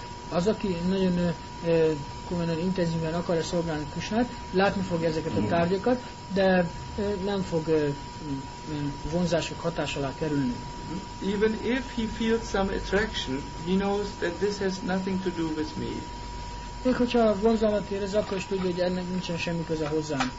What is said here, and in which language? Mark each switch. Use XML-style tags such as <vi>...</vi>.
<hu>Az, aki nagyon komolyan intenzíven akarja szolgálni Krisnát, látni fog ezeket a tárgyakat, de nem fog vonzások hatás alá kerülni.</hu> <en>Even if he feels some attraction, he knows that this has nothing to do with me.</en> <hu>Még hogyha vonzalmat érez, akkor is tudja, hogy ennek nincsen semmi köze hozzám.</hu>